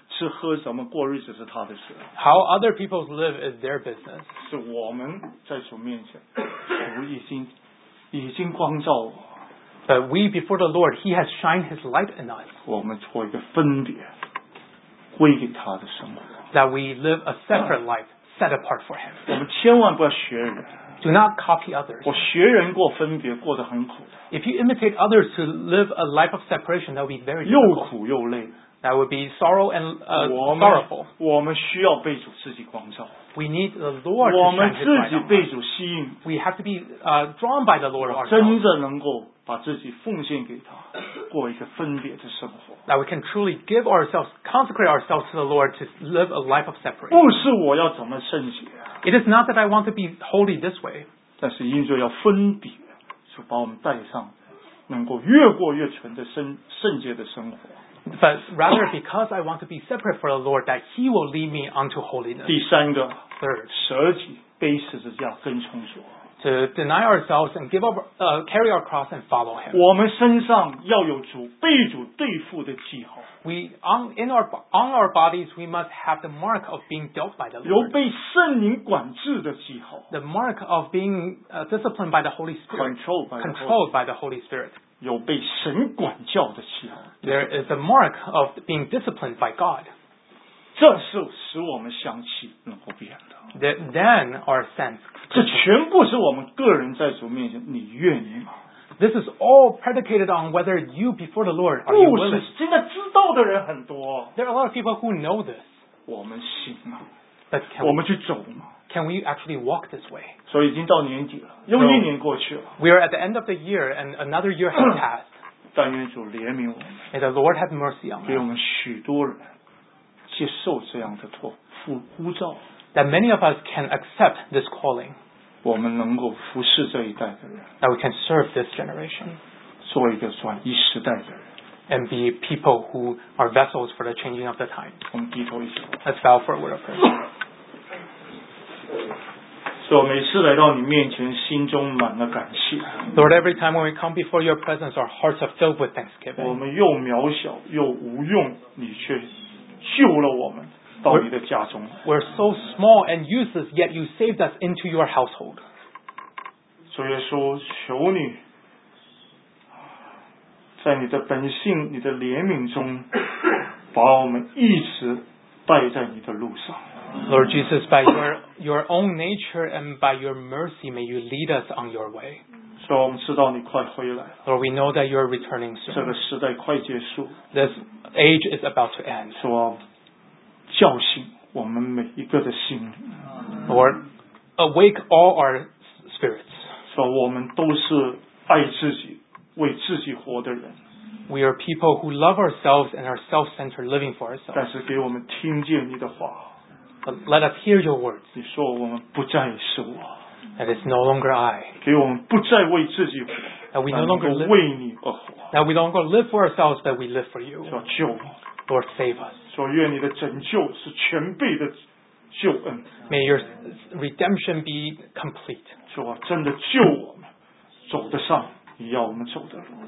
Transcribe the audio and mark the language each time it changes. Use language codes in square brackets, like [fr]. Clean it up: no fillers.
[zh] 吃喝什么过日子是他的事。 [en] How other people live is their business. [zh] 是我们在主面前，主已经光照我。 [en] But we before the Lord, He has shined His light in us. [zh] 我们做一个分别，归给他的生活。 [en] That we live a separate life, set apart for Him. [zh] 我们千万不要学人。 [en] Do not copy others. [zh] 我学人过分别，过得很苦。 [en] If you imitate others to live a life of separation, that would be very difficult. [zh] 又苦又累。 [en] That would be sorrow and sorrowful. [zh] 我们需要被主自己光照。 [en] We need the Lord. [zh] 我们自己被主吸引。 [en] We have to be drawn by the Lord. [zh] 真正能够把自己奉献给他，过一个分别的生活。 [en] That we can truly give ourselves, consecrate ourselves to the Lord to live a life of separation. [zh] 不是我要怎么圣洁。 [en] It is not that I want to be holy this way. [zh] 但是因着要分别，主把我们带上，能够越过越纯的圣洁的生活。 [en] But rather because I want to be separate for the Lord, that He will lead me onto holiness. [zh] 第三个 [en] third, [zh] 舍己背十字架更充足。 [en] To to deny ourselves and give up, carry our cross and follow him. [zh] 我们身上要有主被主对付的记号。 [en] We on our bodies we must have the mark of being dealt by the Lord. [zh] 有被圣灵管制的记号。 [en] The mark of being disciplined by the Holy Spirit. Controlled by the Holy Spirit. [zh] 有被神管教的记号。 [en] There is a mark of being disciplined by God. [zh] 这是使我们想起能够变的。 [en] Then our sense. [zh] 这全部是我们个人在主面前，你愿意吗？ [en] This is all predicated on whether you before the Lord are you willing. [zh] 故事现在知道的人很多。 [en] There are a lot of people who know this. [zh] 我们行吗？ [en] But can we, [zh] 我们去走吗？ [en] Can we actually walk this way? [zh] 所以已经到年底了，又一年过去了。 [en] We are at the end of the year and another year has passed. [zh] 但愿主怜悯我们。 [en] May the Lord have mercy on us. [zh] 给我们许多人。接受这样的托付呼召 [en] that many of us can accept this calling [zh] 我们能够服侍这一代的人 [en] that we can serve this generation [zh] 做一个转移时代的人 [en] and be people who are vessels for the changing of the time [zh] 我们低头一下 [en] let's bow for a word of prayer [zh] 所以我每次来到你面前心中满了感谢 [en] Lord every time when we come before your presence our hearts are filled with thanksgiving [zh] 我们又渺小又无用你却救了我们到你的家中。 [en] We're so small and useless, yet you saved us into your household. [zh] 主耶稣，求你在你的本性、你的怜悯中，把我们一直带在你的路上。 [en] Lord Jesus, by your own nature and by your mercy, may you lead us on your way. [zh] 主，我们知道你快回来了。 [en] Lord, we know that you're returning soon. [zh] 这个时代快结束。 [en] This age is about to end. [zh] 主啊，叫醒我们每一个的心。 [en] Lord, awake all our spirits. [zh] 主啊，我们都是爱自己、为自己活的人。 [en] We are people who love ourselves and are self-centered, living for ourselves. [zh] 但是给我们听见你的话。 [en] But let us hear your words. [zh] 你说我们不再是我。 [en] That it's no longer I. [zh] 给我们不再为自己活。 [en] That we no longer live. [zh] 为你而活。 [en] That we don't go live for ourselves, but we live for you. [zh] 说救我。 [en] Lord, save us. [zh] 说愿你的拯救是全备的救恩。 [en] May your redemption be complete. [zh] 说真的救我们，走得上你要我们走的路。